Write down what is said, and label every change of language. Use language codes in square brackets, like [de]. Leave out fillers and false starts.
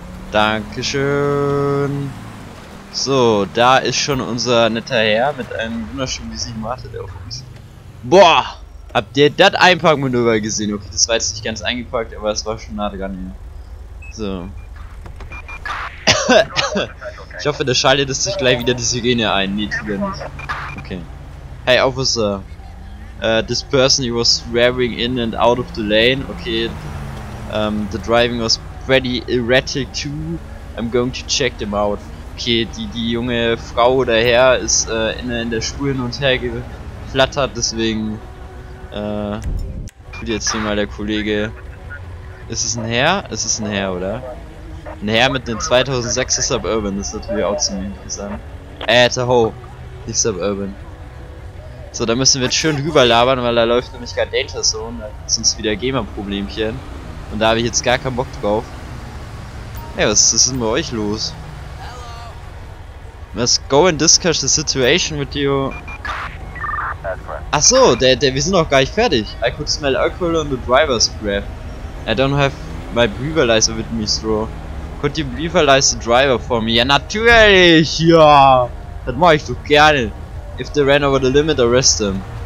[de] Dankeschön. So, da ist schon unser netter Herr mit einem wunderschönen Gesicht. Warte, der auf uns. Boah! Habt ihr das Einparkmanöver gesehen? Okay, das war jetzt nicht ganz eingepackt, aber es war schon nah dran hier. So. Ich hoffe, der schaltet es sich gleich wieder die Sirene ein. Nee, tut er nicht. Okay. Hey, Officer. [en] This person, he was swearing in and out of the lane. Okay. The driving was pretty erratic too. I'm going to check them out. [de] Okay, die junge Frau oder Herr ist in der Spur hin und her geflattert, deswegen. Tut jetzt hier mal der Kollege. Ist es ein Herr? Ist es ein Herr, oder? Naja, mit den 2006er Suburban, das ist natürlich auch ziemlich interessant. Tahoe, nicht Suburban. So, da müssen wir jetzt schön drüber labern, weil da läuft nämlich gerade Data Zone, da ist uns wieder Gamer-Problemchen. Und da habe ich jetzt gar keinen Bock drauf. Ja, was ist denn bei euch los? [en] Let's go and discuss the situation with you. [de] Ach so, wir sind noch gar nicht fertig. [en] I could smell alcohol on the driver's breath. I don't have my breathalyzer with me, Stro. [de] Könnt ihr [en] breathalyze the driver for me? [de] Ja, natürlich! Ja! Das mache ich doch gerne. [en] If they ran over the limit, arrest them.